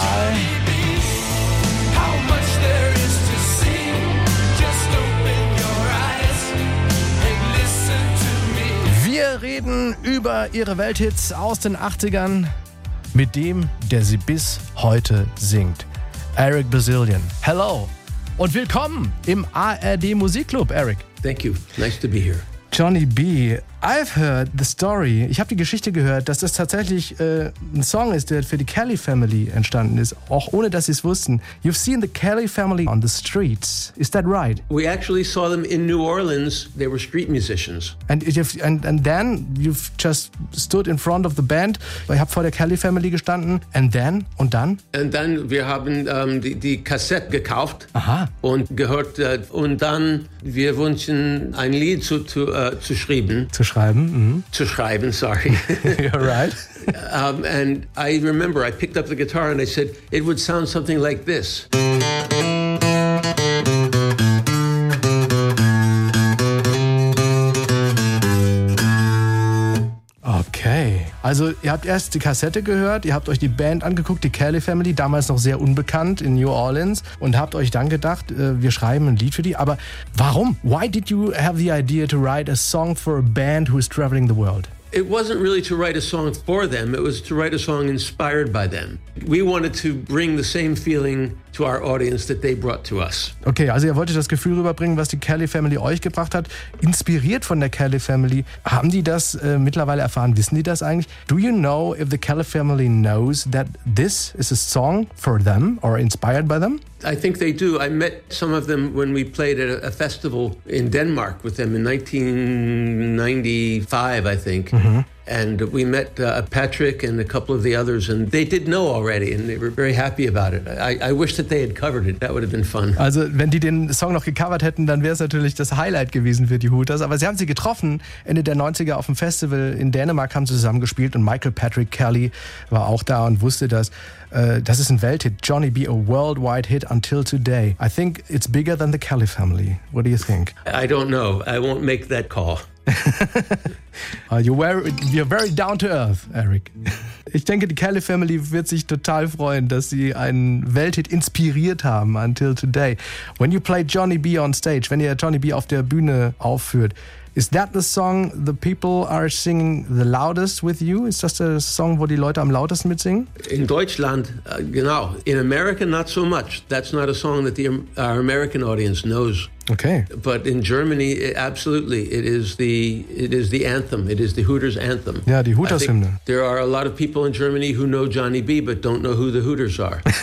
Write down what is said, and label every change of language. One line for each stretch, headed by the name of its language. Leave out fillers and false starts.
German: Wir reden über ihre Welthits aus den 80ern mit dem, der sie bis heute singt. Eric Bazilian. Hello und willkommen im ARD Musikclub, Eric.
English: Thank you. Nice to be here. Johnny B., I've heard the story.
German: Ich habe die Geschichte gehört, dass das tatsächlich ein Song ist, der für die Kelly Family entstanden ist, auch ohne dass sie es wussten.
English: You've seen the Kelly Family on the streets. Is that right? We actually saw them in New Orleans. They were street musicians. And then you've just stood in front of the band.
German: Ich habe vor der Kelly Family gestanden. Und dann wir haben die Kassette gekauft. Aha. Und gehört. Und dann wir wünschen ein Lied zu schreiben. Zu schreiben. Mm-hmm. Zu schreiben, sorry.
English: You're right. And I remember I picked up the guitar and I said, it would sound something like this. Okay.
German: Also ihr habt erst die Kassette gehört, ihr habt euch die Band angeguckt, die Kelly Family, damals noch sehr unbekannt in New Orleans, und habt euch dann gedacht, wir schreiben ein Lied für die. Aber warum?
English: Why did you have the idea to write a song for a band who is traveling the world? It wasn't really to write a song for them, it was to write a song inspired by them. We wanted to bring the same feeling to our audience that they brought to us.
German: Okay, also ihr wolltet das Gefühl rüberbringen, was die Kelly Family euch gebracht hat, inspiriert von der Kelly Family. Haben die das mittlerweile erfahren? Wissen die das eigentlich?
English: Do you know if the Kelly Family knows that this is a song for them or inspired by them? I think they do. I met some of them when we played at a festival in Denmark with them in 1995, I think. Mm-hmm. And we met Patrick and a couple of the others, and they did know already, and they were very happy about it. I wish that they had covered it. That would have been fun.
German: Also, wenn die den Song noch gecovert hätten, dann wäre es natürlich das Highlight gewesen für die Hooters. Aber sie haben sie getroffen. Ende der 90er auf dem Festival in Dänemark haben sie zusammengespielt, und Michael Patrick Kelly war auch da und wusste das. Das ist ein Welthit.
English: Johnny B., a worldwide hit until today. I think it's bigger than the Kelly Family. What do you think? I don't know. I won't make that call. you're very down to earth, Eric.
German: Ich denke, die Kelly Family wird sich total freuen, dass sie einen Welthit inspiriert haben, until today.
English: When you play Johnny B. on stage, wenn ihr Johnny B. auf der Bühne aufführt, is that the song the people are singing the loudest with you?
German: Ist das der Song, wo die Leute am lautesten mitsingen?
English: In Deutschland, genau. In America, not so much. That's not a song that our American audience knows. Okay. But in Germany, absolutely, it is the anthem. It is the Hooters anthem.
German: Yeah, die Hooters Hymne.
English: There are a lot of people in Germany who know Johnny B. but don't know who the Hooters are.